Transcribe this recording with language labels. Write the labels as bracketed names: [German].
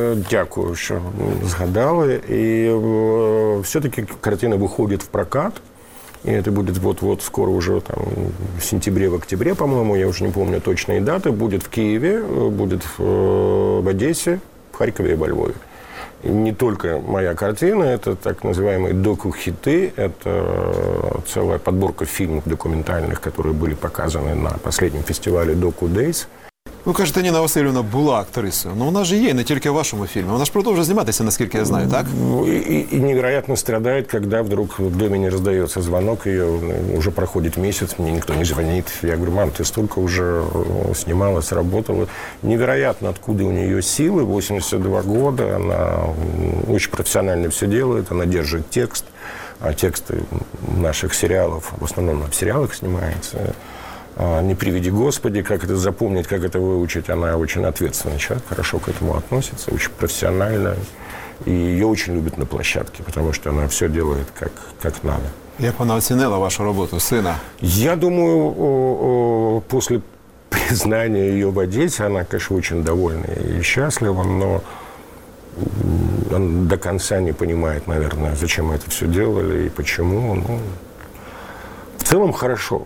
[Ukrainian] Дякую, що згадали. І все-таки картина виходить в прокат. І це буде от-от скоро вже там в сентябрі, в октябрі, по-моєму, я вже не пам'ятаю точної дати. Буде в Києві, буде в Одесі, в Харкові і в Львові. [Russian] Не только моя картина, это так называемые доку-хиты, это целая подборка фильмов документальных, которые были показаны на последнем фестивале Доку Дейс. [Ukrainian] Ви кажете, Ніна Васильівна була актрисою, але вона ж є не тільки в вашому фільмі. Вона ж продовжує зніматися, наскільки я знаю, так? І невероятно страдає, коли вдруг в домі не роздається дзвінок, її вже проходить місяць, мені ніхто не дзвонить. Я говорю, мам, ти стільки вже знімалася, працювала. [Russian] Невероятно, откуда [Ukrainian] у неї сили, 82 роки, вона дуже професіонально все робить, вона держить текст, а тексти наших серіалів, в основному в серіалах знімається. [Russian] Не приведи Господи, как это запомнить, как это выучить, она очень ответственный человек, хорошо к этому относится, очень профессионально, и ее очень любят на площадке, потому что она все делает как надо. Как она оценила вашу работу, сына? Я думаю, после признания ее в Одессе, она, конечно, очень довольна и счастлива, но она до конца не понимает, наверное, зачем мы это все делали и почему, ну... В целом хорошо.